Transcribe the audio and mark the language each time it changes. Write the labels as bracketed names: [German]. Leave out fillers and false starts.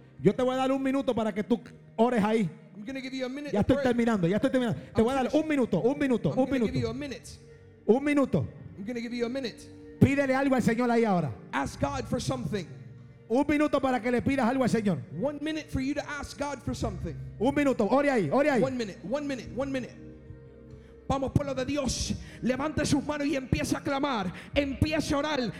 [Spanish] Yo te voy a dar un minuto para que tú ores ahí. [English] I'm going to give you a minute. [Spanish] Ya estoy terminando, ya estoy terminando. Te voy a dar un minuto. [English] I'm going to give you a minute. [Spanish] Un minuto. [English] I'm going to give you a minute. [Spanish] Pídele algo al Señor ahí ahora. [English] Ask God for something. [Spanish] Un minuto para que le pidas algo al Señor. [English] 1 minute for you to ask God for something. [Spanish] Un minuto, ore ahí, ore ahí. [English] 1 minute. [Spanish] Vamos, pueblo de Dios, levante sus manos y empiece a clamar, empiece a orar.